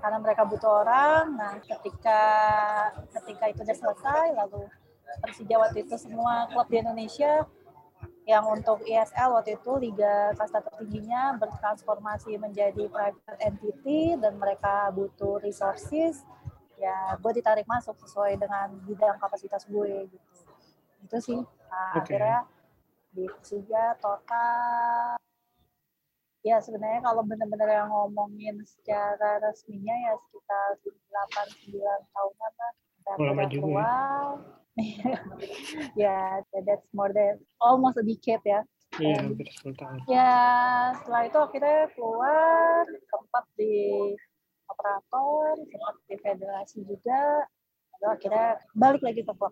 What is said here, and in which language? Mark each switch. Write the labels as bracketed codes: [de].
[id] Karena mereka butuh orang, nah ketika itu udah selesai, lalu Persija waktu itu semua klub di Indonesia yang untuk ESL waktu itu liga kasta tertingginya bertransformasi menjadi private entity dan mereka butuh resources, ya gue ditarik masuk sesuai dengan bidang kapasitas gue gitu. Itu sih, okay. Akhirnya di Persija total, ya sebenarnya kalau benar-benar yang ngomongin secara resminya ya sekitar 8-9 tahunan lah. Lama juga ya. [en] Ya, yeah, that's more than almost a decade ya. [id] Iya, hampir 10 tahun. Ya, setelah itu akhirnya keluar, sempat di operator, sempat di federasi juga, lalu akhirnya balik lagi ke klub.